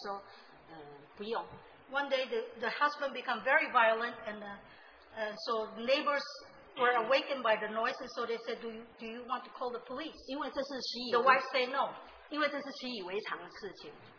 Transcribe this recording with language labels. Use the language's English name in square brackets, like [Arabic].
[Chinese] 然后呢，这个有一天他先生一样的去撞了，结果医生邻居就来报告他的太太说要不要送他去医院，他的太太说不用。 [English] One day the husband become very violent and so neighbors were awakened by the noise, and so they said, do you want to call the police? [Chinese] 因为这是习以为, [English] the wife said no. [Chinese] 因为这是习以为常的事情。